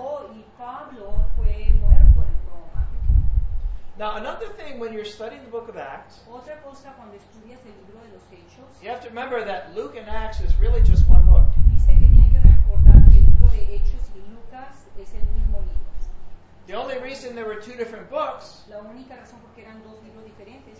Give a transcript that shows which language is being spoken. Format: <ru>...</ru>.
<es>Oh, y Pablo fue muerto en Roma.</es> <en>Now, another thing when you're studying the book of Acts,</en> <es>otra cosa, cuando estudias el libro de los Hechos,</es> <en>you have to remember that Luke and Acts is really just one book.</en> <es>Dice que tiene que recordar que el libro de Hechos y Lucas es el mismo libro.</es> <en>The only reason there were two different books,</en> <es>la única razón porque eran dos libros diferentes,</es>